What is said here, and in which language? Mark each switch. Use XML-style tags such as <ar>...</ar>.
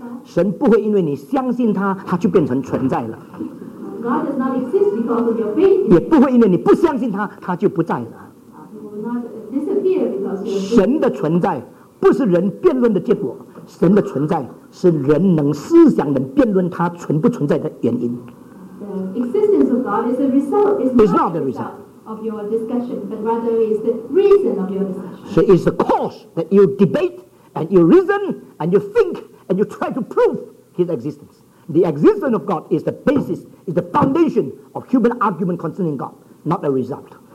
<zh>神不会因为你相信他，他就变成存在了。</zh> <en>God does not exist because of your faith.</en> <zh>也不会因为你不相信他，他就不在了。神的存在不是人辩论的结果，神的存在是人能思想能辩论他存不存在的原因。</zh> <en>The existence of God is a result. It's not the result of your discussion, but rather is the reason of your discussion. So it's the cause that you debate and you reason and you think and you try to prove his existence. The existence of God is the basis, is the foundation of human argument concerning God, not the result.</en>